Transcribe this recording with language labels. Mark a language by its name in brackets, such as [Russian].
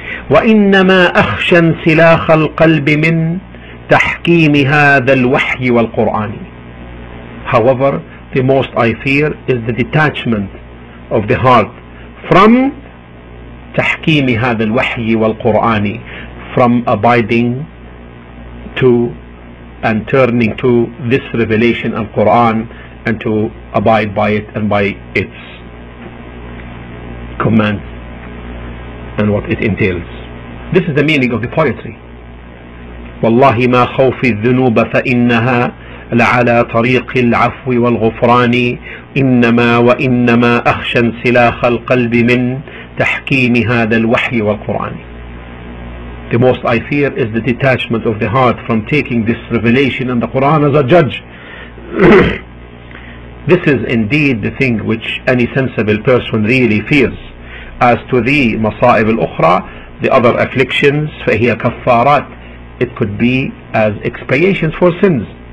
[Arabic] وإنما أخشى انسلاخ القلب من تحكيم هذا الوحي والقرآن. [English] However, the most I fear is the detachment of the heart from [Arabic] تحكيم هذا الوحي والقرآن, [English] from abiding to and turning to this revelation of Quran and to abide by it and by its commands and what it entails. This is the meaning of the poetry. [Arabic] والله ما خوف الذنوب فإنها لعلى طريق العفو والغفران إنما وإنما أخشى انسلاخ القلب من تحكيم هذا الوحي والقرآن. [English] The most I fear is the detachment of the heart from taking this revelation and the Quran as a judge. This is indeed the thing which any sensible person really fears. As to the masa'ib al-ukhra, the other afflictions, [Arabic] فهي كفارات, [English] it could be as expiations for sins.